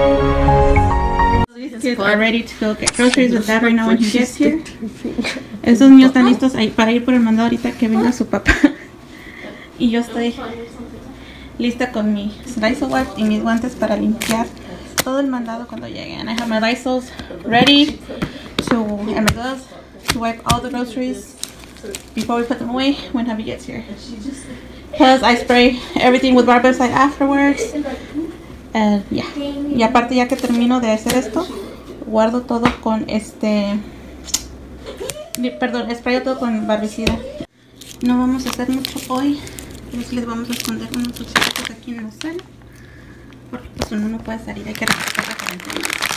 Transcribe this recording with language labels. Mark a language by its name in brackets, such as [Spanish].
[English] ready to go get groceries with Dad right now when he gets here. [Spanish] Esos niños están listos para ir por el mandado ahorita que venga su papá. Y yo estoy lista con mi Lysol wipe y mis guantes para limpiar todo el mandado cuando llegue. [English] And I have my Lysols ready to, and my gloves to wipe all the groceries before we put them away whenever he gets here. Plus, I spray everything with barbicide afterwards. [Spanish] Y aparte, ya que termino de hacer esto, guardo todo con este... Perdón, sprayo todo con barbicida. No vamos a hacer mucho hoy. Pero sí les vamos a esconder unos cuchillitos aquí en la sala. Porque pues uno no puede salir, hay que respetar la cuarentena.